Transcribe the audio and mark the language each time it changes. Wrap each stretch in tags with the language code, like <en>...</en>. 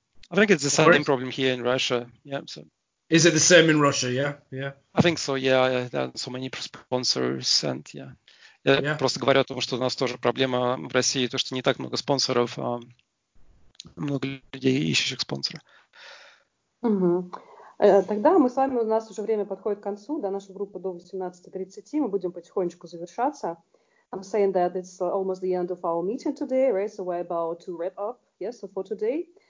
<en>I think it's the same problem here in Russia. Yeah. So. Is it the same in Russia? Yeah. I think so. Yeah. There are so many sponsors, and yeah,</en> <ru>Я просто говорю о том, что у нас тоже проблема в России, то, что не так много спонсоров, а много людей, ищущих спонсора. Тогда мы с вами, у нас уже время подходит к концу, да, наша группа до 18:30, мы будем потихонечку завершаться.</ru> <en>I'm saying that it's almost the end of our meeting today, right? So we're about to wrap up, yes, so for today.</en>